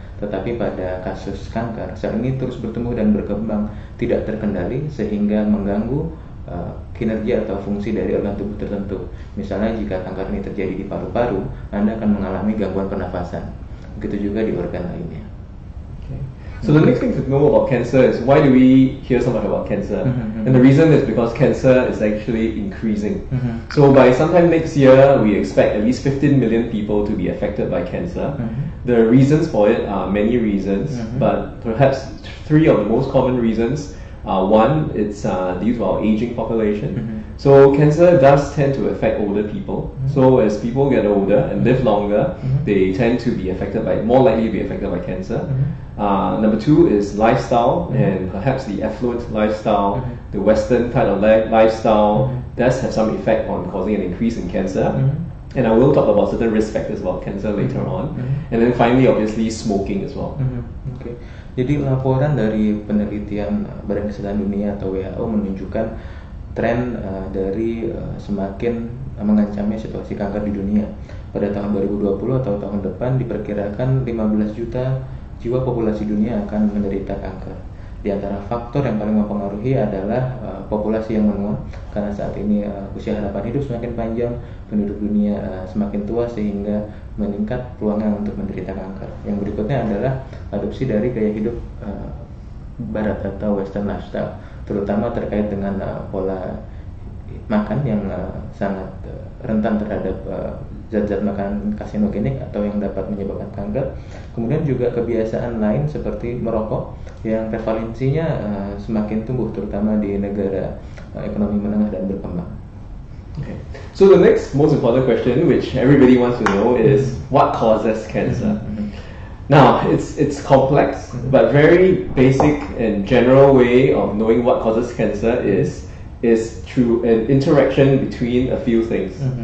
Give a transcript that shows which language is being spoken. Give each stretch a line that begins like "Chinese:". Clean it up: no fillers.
Indonesian: Tetapi pada kasus kanker, sel ini terus bertumbuh dan berkembang tidak terkendali sehingga mengganggu kinerja atau fungsi dari organ tubuh tertentu. Misalnya jika kanker ini terjadi di paru-paru, Anda akan mengalami gangguan pernafasan. Begitu juga di organ lainnya.
English: So the next thing to know about cancer is why do we hear so much about cancer? And the reason is because cancer is actually increasing. So by sometime next year, we expect at least 15 million people to be affected by cancer. The reasons for it are many reasons, but perhaps three of the most common reasons are one, it's due to our aging population. So cancer does tend to affect older people. So as people get older and live longer, they tend to be affected by, more likely to be affected by cancer. Number two is lifestyle, and perhaps the affluent lifestyle, the Western kind of lifestyle does have some effect on causing an increase in cancer. And I will talk about certain risk factors about cancer later on. And then finally, obviously, smoking as well. Okay.
Indonesian: Jadi laporan dari penelitian Badan Kesehatan Dunia atau WHO menunjukkan tren dari semakin mengancamnya situasi kanker di dunia. Pada tahun 2020 atau tahun depan diperkirakan 15 juta jiwa populasi dunia akan menderita kanker. Di antara faktor yang paling mempengaruhi adalah populasi yang menua, karena saat ini usia harapan hidup semakin panjang, penduduk dunia semakin tua sehingga meningkat peluangnya untuk menderita kanker. Yang berikutnya adalah adopsi dari gaya hidup barat atau western lifestyle, terutama terkait dengan pola makan yang sangat rentan terhadap zat-zat makanan karsinogenik atau yang dapat menyebabkan kanker. Kemudian juga kebiasaan lain seperti merokok yang prevalensinya semakin tumbuh, terutama di negara ekonomi menengah dan berkembang.
English: Okay. So the next most important question which everybody wants to know is what causes cancer? Now, it's complex, but very basic and general way of knowing what causes cancer is through an interaction between a few things.